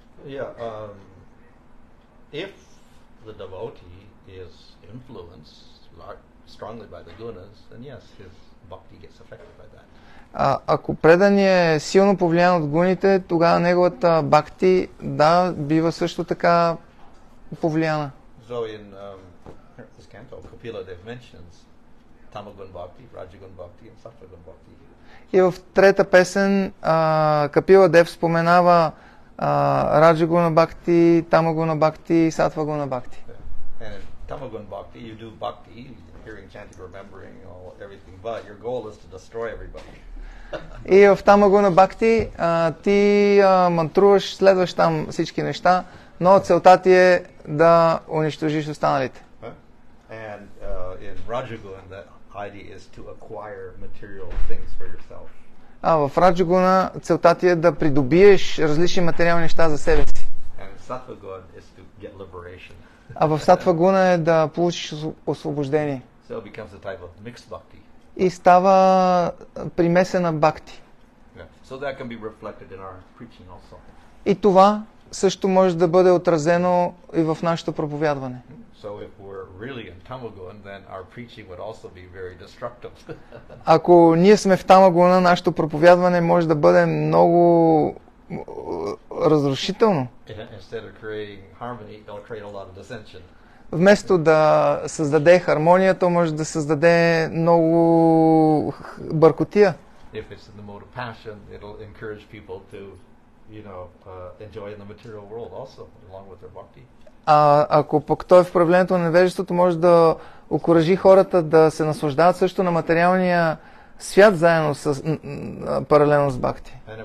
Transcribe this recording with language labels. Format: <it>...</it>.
<en>If the devotee is influenced strongly by the gunas, then yes, his bhakti gets affected by that.</en> <bg>Ако предания е силно повлиян от гуните, тогава неговата бхакти, да, бива също така повлияна.</bg> <en>So in this canto, Kapila Dev mentions tamagun bhakti, rajagun bhakti and sattvagun bhakti.</en> <bg>И в трета песен Капила Дев споменава раджагуна бхакти, тамагуна бхакти и сатвагуна бхакти.</bg> <en>Tamaguna bhakti, you do bhakti, hearing, chanting, remembering, all everything, but your goal is to destroy everybody.</en> <bg>И в тамагуна бхакти ти мантруваш, следваш там всички неща, но целта ти е да унищожиш останалите.</bg> <en>And in rajagun, the idea is to acquire material things for yourself.</en> <bg>А в раджагуна целта ти е да придобиеш различни материални неща за себе си.</bg> <en>And sattvagun is to get liberation.</en> <bg>А в сатвагуна е да получиш освобождение.</bg> <en>So it becomes a type of mixed bhakti.</en> <bg>И става примесена бхакти.</bg> <en>So that can be reflected in our preaching also.</en> <bg>И това също може да бъде отразено и в нашето проповядване.</bg> <en>So if we're really in tamagun, then our preaching would also be very destructive.</en> <bg>Ако ние сме в тамагуна, нашето проповядване може да бъде много разрушително.</bg> <en>Instead of creating harmony, it'll create a lot of dissension.</en> <bg>Вместо да създаде хармония, то може да създаде много бъркотия.</bg> <en>If it's in the mode of passion, it'll encourage people to, you know, enjoy the material world also, along with their bhakti.</en> <bg>Ако пък той в проявлението на невежеството, може да окуражи хората да се наслаждават също на материалния свят заедно с паралелно с бхакти.</bg>